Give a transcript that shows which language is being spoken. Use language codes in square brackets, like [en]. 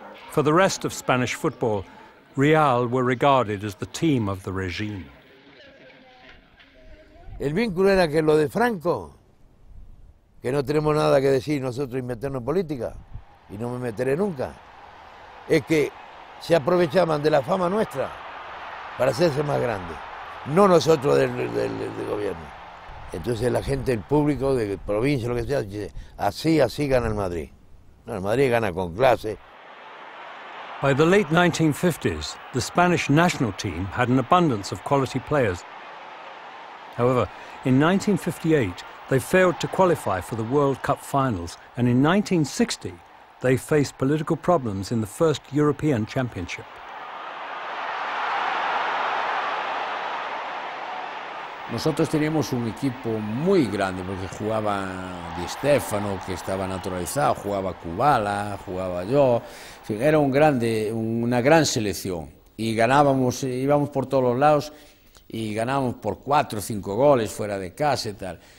[en] For the rest of Spanish football, Real were regarded as the team of the regime. [es] El vínculo era que lo de Franco, que no tenemos nada que decir nosotros y meternos en política, y no me meteré nunca, es que se aprovechaban de la fama nuestra para hacerse más grande, no nosotros del gobierno. Entonces la gente, el público de provincia, lo que sea, dice, así gana el Madrid. No, el Madrid gana con clase. [en] By the late 1950s, the Spanish national team had an abundance of quality players. However, in 1958, they failed to qualify for the World Cup finals, and in 1960, they faced political problems in the first European championship. [es] Nosotros teníamos un equipo muy grande porque jugaba Di Stéfano, que estaba naturalizado, jugaba Kubala, jugaba yo. Era un grande, una gran selección y ganábamos, íbamos por todos los lados y ganábamos por 4 o 5 goles fuera de casa y tal.